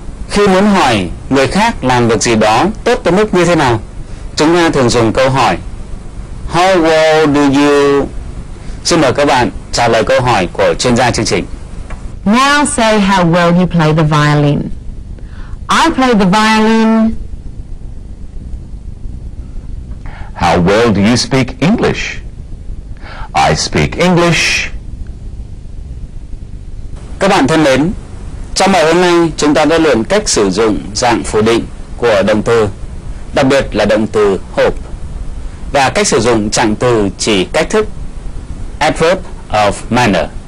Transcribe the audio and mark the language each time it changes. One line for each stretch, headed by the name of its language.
Vietnamese: Khi muốn hỏi người khác làm được gì đó tốt tới mức như thế nào, chúng ta thường dùng câu hỏi
English: How well do you?
Vietnamese: Xin mời các bạn trả lời câu hỏi của chuyên gia chương trình.
English: Now say how well you play the violin. I play the violin. How well do you speak English? I speak English.
Vietnamese: Các bạn thân mến, trong bài hôm nay chúng ta đã luyện cách sử dụng dạng phủ định của động từ, đặc biệt là động từ hope, và cách sử dụng trạng từ chỉ cách thức, adverb of manner.